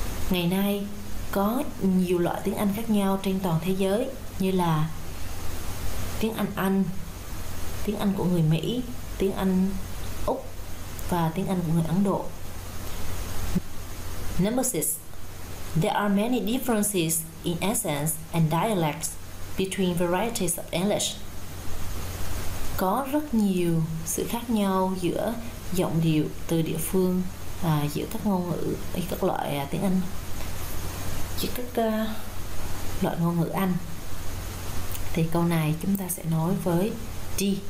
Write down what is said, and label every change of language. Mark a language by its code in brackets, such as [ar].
[vi] Ngày nay có nhiều loại tiếng Anh khác nhau trên toàn thế giới, như là tiếng Anh Anh, tiếng Anh của người Mỹ, tiếng Anh Úc và tiếng Anh của người Ấn Độ. [en] Number 6. There are many differences in accents and dialects between varieties of English. [vi] Có rất nhiều sự khác nhau giữa giọng điệu từ địa phương và giữa các ngôn ngữ hay các loại tiếng Anh. Chỉ các loại ngôn ngữ Anh. Thì câu này chúng ta sẽ nói với D.